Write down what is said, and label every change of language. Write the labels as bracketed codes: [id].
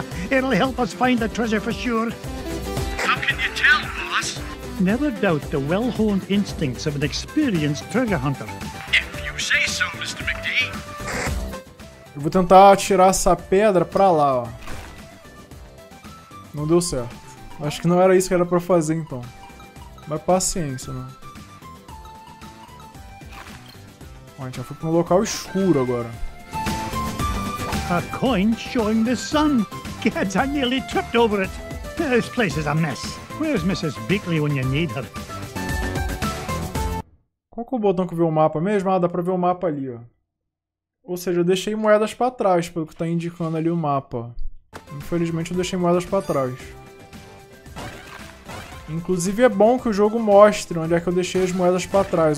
[en] It'll help us find the treasure for sure. How can you tell, boss? Never doubt the well-honed instincts of an experienced treasure hunter. If you say so, Mr. McDee. [pt] Eu vou tentar tirar essa pedra pra lá, ó. Não deu certo. Acho que não era isso que era pra fazer, então. Mas paciência, né? Ó, a gente já foi pra um local escuro agora. [en] A coin showing the sun. Gads, I nearly tripped over it. This place is a mess. Where's Mrs. Beakley when you need her? [pt] Qual que é o botão que vê o mapa mesmo? Ah, dá pra ver o mapa ali, ó. Ou seja, eu deixei moedas pra trás, pelo que tá indicando ali o mapa. Infelizmente, eu deixei moedas pra trás. Inclusive, é bom que o jogo mostre onde é que eu deixei as moedas pra trás.